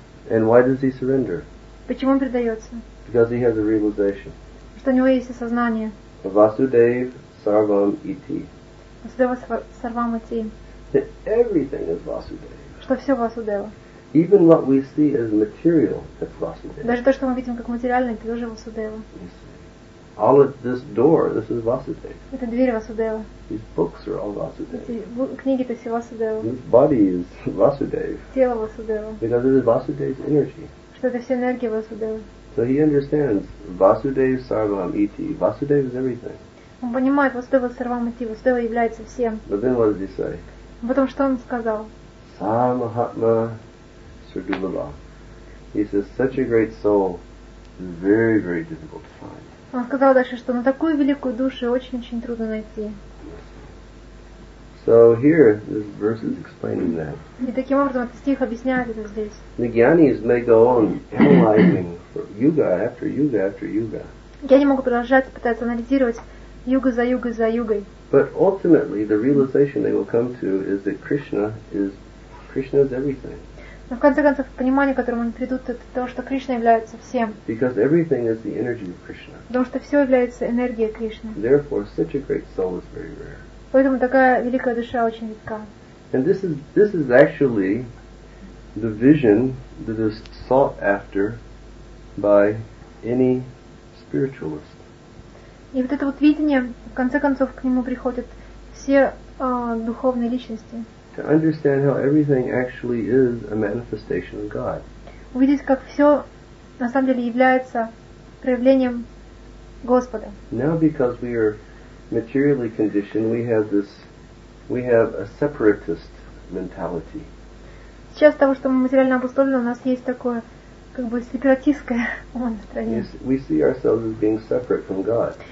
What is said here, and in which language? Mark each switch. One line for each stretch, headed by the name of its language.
English: And why does he surrender?
Russian: Почему он предается?
English: Because he has a realization.
Russian: Что у него есть осознание.
Sanskrit: Vasudev sarvam iti. Vasudev sarvam iti.
English: That everything is Vasudeva.
Russian: Что все Vasudeva.
English: Even what we see as material, that's Vasudeva.
Russian: Даже то, что мы видим как материальное, это тоже Vasudeva.
English: All of this door, this is Vasudeva.
Russian: Это дверь Vasudeva.
English: These books are all Vasudeva.
Russian: Эти книги, это все Vasudeva.
English: This body is Vasudeva.
Russian: Тело Vasudeva.
English: Because it is Vasudeva's energy.
Russian: Что это все энергия Vasudeva.
English: So he understands
Sanskrit: Vasudeva sarvam iti.
English: Vasudeva is everything.
Russian: Он понимает
Sanskrit: Vasudeva sarvam iti.
Russian: Vasudeva является всем.
English: But then what does he say?
Russian: Потом что он сказал?
Sanskrit: Самахатма Сардулаба.
English: He says, such a great soul, very, very difficult to find.
Russian: Он сказал дальше, что на такую великую душу очень-очень трудно найти.
English: So here, this verse is explaining that.
Russian: И таким образом этот стих объясняет это здесь.
English: The gyanis may go on analyzing yuga after yuga after yuga.
Russian: Гьяни могут продолжать пытаться анализировать юга за югой за югой.
English: But ultimately, the realization they will come to is that Krishna is everything.
Russian: Но в конце концов понимание, к которому они придут, это то, что Кришна является всем.
English: Because everything is the energy of Krishna.
Russian: Потому что все является энергией Кришны.
English: Therefore, such a great soul is very rare.
Russian: Поэтому такая великая душа очень редка.
English: And this is actually the vision that is sought after by any spiritualist.
Russian: И вот это вот видение, в конце концов, к нему приходят все духовные личности.
English: To understand how everything actually is a manifestation of God.
Russian: Увидеть, как все на самом деле является проявлением Господа.
English: Now because we are materially conditioned, we have a separatist mentality.
Russian: Сейчас того, что мы материально обусловлены, у нас есть такое как бы сепаратистское умонастроение.
English: We see ourselves as being separate from God.